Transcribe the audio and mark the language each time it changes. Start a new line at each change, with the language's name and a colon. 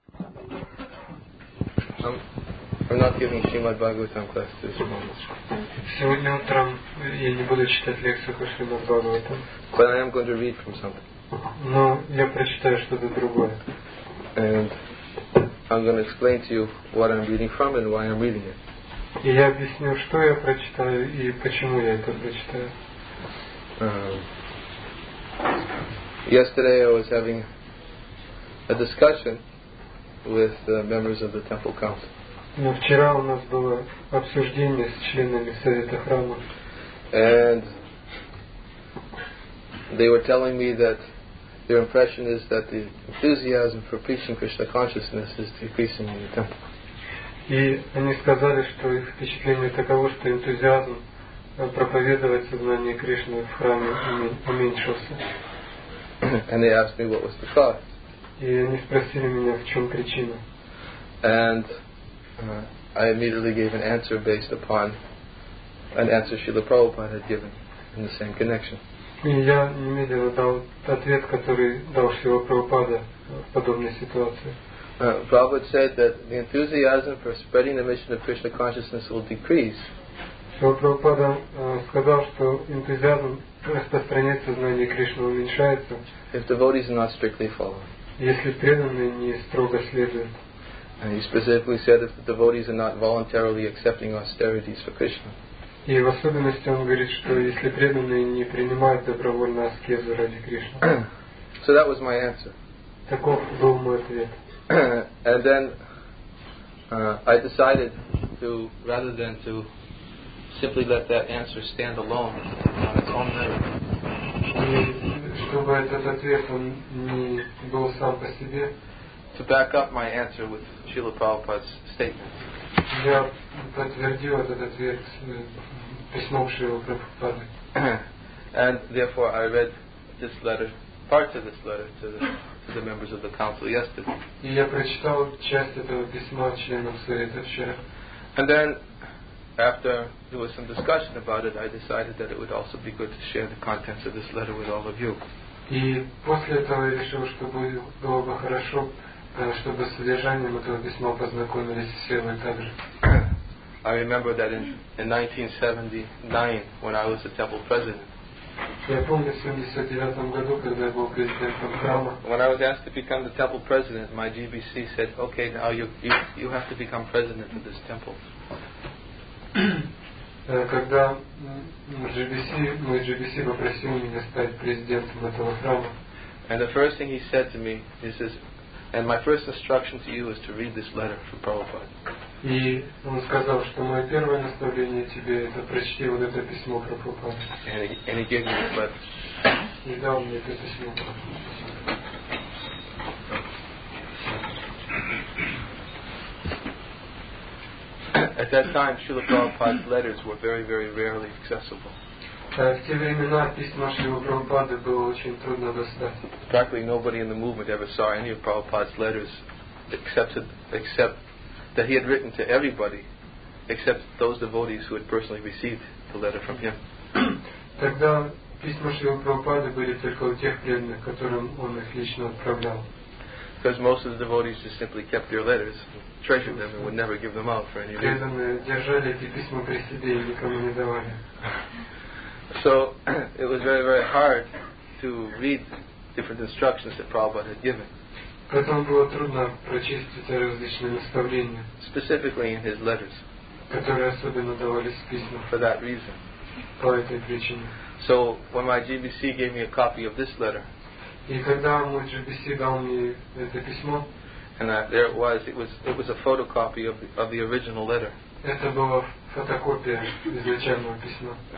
English: I'm not giving Srimad Bhagavatam class to Srimad Bhagavatam. But I am going to read from something. And I'm going to explain to you what I'm reading from and why I'm reading it.
Russian: И я объясню, что я прочитаю и почему я это прочитаю.
English: Yesterday I was having a discussion with the members of the temple council.
Russian: Но вчера у нас было обсуждение с членами совета храма.
English: And they were telling me that their impression is that the enthusiasm for preaching Krishna consciousness is decreasing in the temple.
Russian: И они сказали, что их впечатление таково, что энтузиазм проповедовать сознание Кришны в храме уменьшился.
English: And they asked me what was the cause.
Russian: И они спросили меня, в чем причина.
English: And I immediately gave an answer based upon an answer Srila Prabhupada had given in the same connection.
Russian: И я немедленно дал ответ, который дал Шрила Прабхупада в подобной ситуации.
English: Prabhupada said that the enthusiasm for spreading the mission of Krishna consciousness will decrease.
Russian: So Prabhupada сказал, что энтузиазм распространять сознание Кришны уменьшается.
English: If devotees are not strictly following.
Russian: Если преданные не строго следуют.
English: And he specifically said if the devotees are not voluntarily accepting austerities for Krishna.
Russian: И в особенности он говорит, что если преданные не принимают добровольно аскезу ради Кришны.
English: So that was my answer.
Russian: Таков был мой ответ.
English: And then I decided to, rather than to simply let that answer stand alone on its own merit,
Russian: чтобы этот ответ он не был сам по себе,
English: to back up my answer with Srila Prabhupada's statement.
Russian: Я подтвердил этот ответ письмом Шрилы Прабхупады.
English: And therefore I read this letter, parts of this letter to the the members of the council yesterday.
Russian: Я прочитал часть этого письма членам совета вчера.
English: And then, after there was some discussion about it, I decided that it would also be good to share the contents of this letter with all of you.
Russian: И после этого я решил, что было бы хорошо, чтобы с содержанием этого письма познакомились все вы также.
English: I remember that in 1979, when I was the temple president.
Russian: Я помню, в 79 году, когда я был президентом храма.
English: When I was asked to become the temple president, my GBC said, "Okay, now you have to become president of this temple."
Russian: Когда мой GBC попросил меня стать президентом этого храма.
English: And the first thing he said to me, he says, "And my first instruction to you is to read this letter from Prabhupada."
Russian: И он сказал, что мое первое наставление тебе это прочти вот это письмо Прабхупады.
English: And he gave me this letter.
Russian: И дал мне это письмо.
English: At that time, Srila Prabhupada's letters were very, very rarely accessible.
Russian: В те времена письма Шрилы Прабхупады было очень трудно достать.
English: Practically nobody in the movement ever saw any of Prabhupada's letters except that he had written to everybody except those devotees who had personally received the letter from him.
Russian: Тогда письма Шрилы Прабхупады были только у тех преданных, которым он их лично отправлял.
English: Because most of the devotees just simply kept their letters, treasured them, and would never give them out for any reason.
Russian: Преданные держали эти письма при себе и никому не давали.
English: So it was very, very hard to read different instructions that Prabhupada had given.
Russian: Поэтому было трудно прочесть различные наставления.
English: Specifically in his letters.
Russian: Которые особенно давались в письмах.
English: For that reason.
Russian: По этой причине.
English: So when my GBC gave me a copy of this letter.
Russian: И когда мой GBC дал мне это письмо.
English: And there it was a photocopy of the original letter.
Russian: Это была фотокопия изначального письма.